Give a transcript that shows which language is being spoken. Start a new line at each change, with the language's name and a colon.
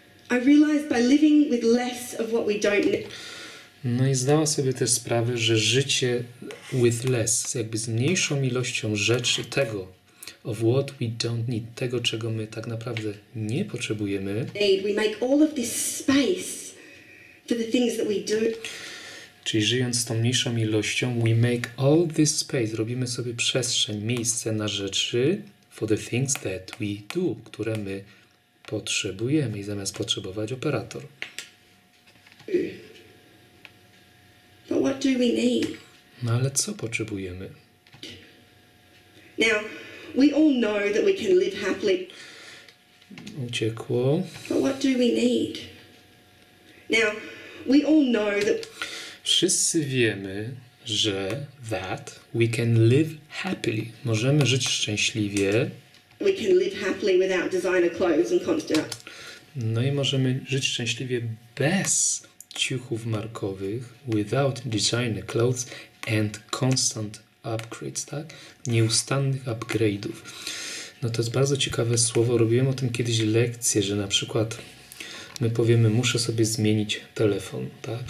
English: I realized by living with less of what we don't.
Polish: No i zdała sobie też sprawę, że życie
English: with less,
Polish: jakby z mniejszą ilością rzeczy, tego,
English: of what we don't need,
Polish: tego, czego my tak naprawdę nie potrzebujemy,
English: we make all of this space for the things that we do.
Polish: Czyli żyjąc z tą mniejszą ilością,
English: we make all this space,
Polish: robimy sobie przestrzeń, miejsce na rzeczy,
English: for the things that we do,
Polish: które my potrzebujemy, i zamiast potrzebować operator.
English: But what do we need?
Polish: No ale co potrzebujemy?
English: Now, we all know that we can live happily.
Polish: Uciekło.
English: But what do we need? Now, we all know that...
Polish: Wszyscy wiemy, że
English: that we can live happily.
Polish: Możemy żyć szczęśliwie.
English: We can live happily without designer clothes and constant.
Polish: No i możemy żyć szczęśliwie bez ciuchów markowych,
English: without designer clothes and constant upgrades,
Polish: tak? Nieustannych upgrade'ów. No to jest bardzo ciekawe słowo. Robiłem o tym kiedyś lekcję, że na przykład my powiemy, muszę sobie zmienić telefon, tak?